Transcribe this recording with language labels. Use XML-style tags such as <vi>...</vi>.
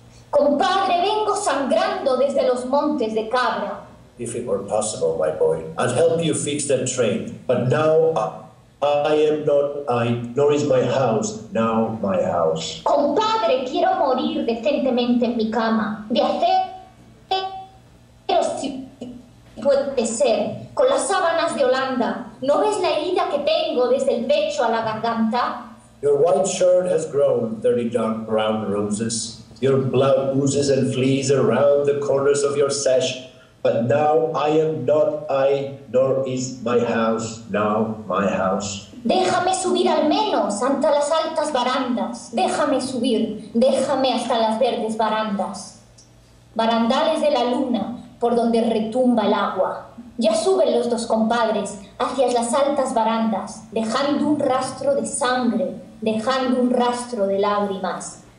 <es>Compadre, vengo sangrando desde los montes de cabra.</es> <en>If it were possible, my boy, I'd help you fix the train, but now I am not I, nor is my house now my house. Compadre, quiero morir decentemente en mi cama, de acero, si puede ser, con las sábanas de Holanda. ¿No ves la herida que tengo desde el pecho a la garganta? Your white shirt has grown 30 dark brown roses. Your blood oozes and flees around the corners of your sash. But now I am not I, nor is my house now my house.</en> <es>Déjame subir al menos hasta las altas barandas. Déjame subir, déjame hasta las verdes barandas. Barandales de la luna, por donde retumba el agua. Ya suben los dos compadres hacia las altas barandas, dejando un rastro de sangre, dejando un rastro de lágrimas.</es>